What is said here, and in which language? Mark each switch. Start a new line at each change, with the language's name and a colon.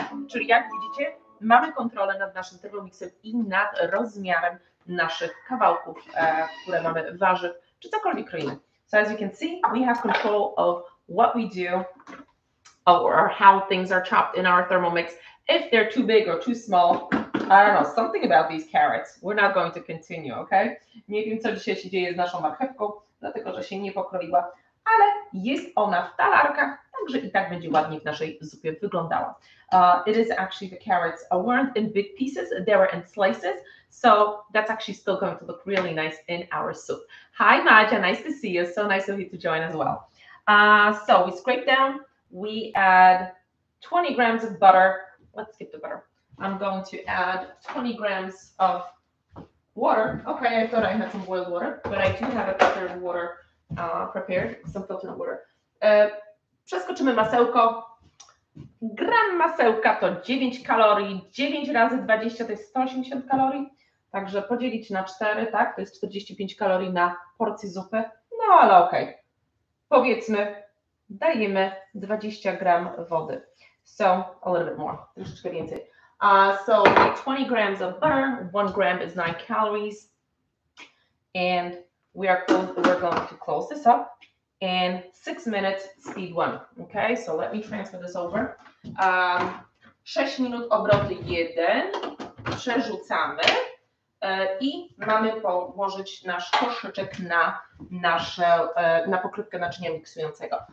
Polish: Czyli jak widzicie, mamy kontrolę nad naszym termomiksem i nad rozmiarem naszych kawałków, które mamy, warzyw, czy cokolwiek kroimy.
English: So as you can see, we have control of what we do or how things are chopped in our Thermomix. If they're too big or too small, I don't know, something about these carrots. We're not going to continue, okay?
Polish: Nie wiem, co dzisiaj się dzieje z naszą marchewką, dlatego że się nie pokroiła, ale jest ona w talarkach, także i tak będzie ładnie w naszej zupie wyglądała.
English: It is actually, the carrots weren't in big pieces, they were in slices, so that's actually still going to look really nice in our soup. Hi, Madja, nice to see you. So nice of you to join as well. So we scrape down, we add 20 grams of butter. Let's skip the butter. I'm going to add 20 grams of water. Okay, I thought I had some boiled water, but I do have a filtered water prepared, some filtered water.
Polish: Przeskoczymy masełko. Gram masełka to 9 kalorii, 9 razy 20 to jest 180 kalorii. Także podzielić na 4, tak, to jest 45 kalorii na porcję zupy. No ale okej. Powiedzmy, dajemy 20 gram wody.
English: So, a little bit more,
Polish: troszeczkę więcej.
English: So 20 grams of butter, 1 gram is 9 calories, and we're going to close this up in 6 minutes speed one. Okay, so let me transfer this over.
Polish: 6 minut obroty jeden, przerzucamy i mamy położyć nasz koszyczek na nasze, na pokrywkę naczynia miksującego.